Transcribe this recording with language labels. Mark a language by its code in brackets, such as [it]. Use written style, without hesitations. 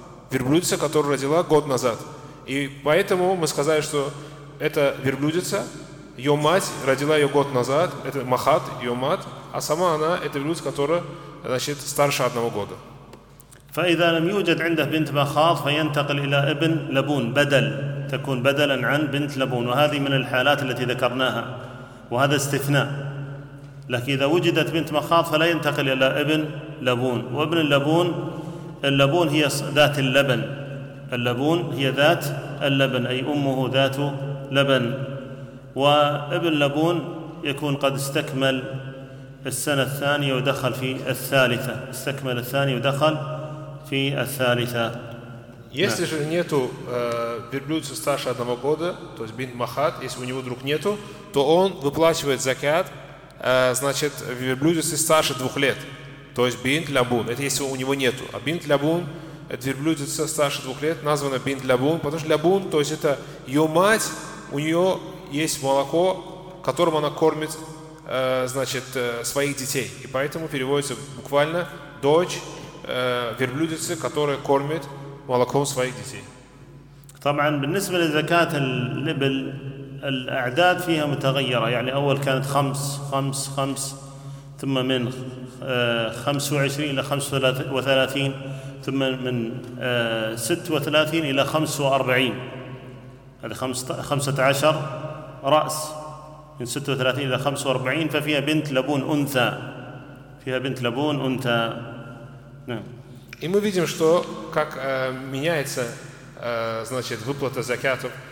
[ru] Верблюдица, которую родила год назад. И поэтому мы сказали, что это верблюдица, ее мать родила ее год назад, это махат, ее мать, а сама она, это верблюдица, которая, значит, старше одного года. [ar] فإذا لم يوجد عنده بنت مخاض فينتقل إلى ابن لبون بدل، تكون بدلاً عن بنت لبون، وهذه من الحالات التي ذكرناها، وهذا استثناء. لكن إذا وجدت بنت مخاض فلا ينتقل إلى ابن لبون، وابن اللبون، اللبون هي ذات اللبن، اللبون هي ذات اللبن، أي أمه ذات لبن، وابن لبون يكون قد استكمل السنة الثانية ودخل في الثالثة، استكمل الثانية ودخل في الثالثة. [ru] Если же нету верблюдца старше одного года, то есть бинт махат, если у него друг нету, то он выплачивает закят, значит, верблюдец старше двух лет, то есть бинт лябун, это если у него нету. А бинт лябун, это верблюдец старше двух лет, названо бинт лябун, потому что лябун, то есть это ее мать, у нее есть молоко, которым она кормит, значит, своих детей. И поэтому переводится буквально дочь верблюдицы, которая кормит молоком своих детей. [ar] طبعا بالنسبة لزكاة الإبل الأعداد فيها متغيرة، يعني أول كانت خمس خمس خمس، ثم من 25 إلى 35، ثم من 36 إلى 45، هذا 15 رأس، من 36 إلى 45 ففيها بنت لبون أنثى، فيها بنت لبون أنثى. نعم. [ru] И мы видим, что как меняется, значит, выплата закятов.